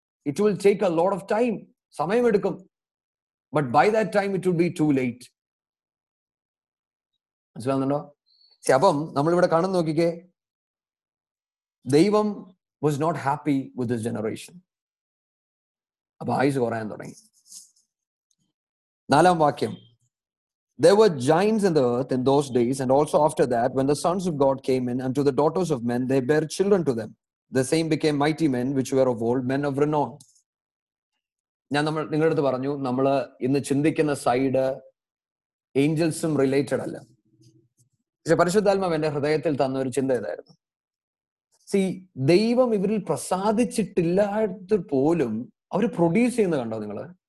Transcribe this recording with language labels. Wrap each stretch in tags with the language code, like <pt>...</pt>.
<en>it will take a lot of time,</en> <ml>സമയമെടുക്കും.</ml> <en>But by that time it will be too late.</en> <ml>മനസ്സിലാവുന്നുണ്ടോ? അപ്പം നമ്മളിവിടെ കണ്ണു നോക്കിക്കേ, ദൈവം</ml> <en>Was not happy with this generation.</en> <ml>അപ്പൊ ആയുസ് കുറയാൻ തുടങ്ങി. നാലാം വാക്യം,</ml> <en>There were giants in the earth in those days, and also after that, when the sons of God came in unto the daughters of men, they bare children to them. The same became mighty men which were of old, men of renown.</en> <ml>ഞാൻ നമ്മൾ നിങ്ങളുടെ അടുത്ത് പറഞ്ഞു, നമ്മൾ ഇന്ന് ചിന്തിക്കുന്ന side ഏഞ്ചൽസും related അല്ല. പക്ഷെ പരിശുദ്ധാത്മാവ് എന്റെ ഹൃദയത്തിൽ തന്ന ഒരു ചിന്ത ഇതായിരുന്നു. See, ദൈവം ഇവരിൽ പ്രസാദിച്ചിട്ടില്ലാത്ത പോലും അവർ പ്രൊഡ്യൂസ് ചെയ്യുന്ന കണ്ടോ നിങ്ങൾ?</ml>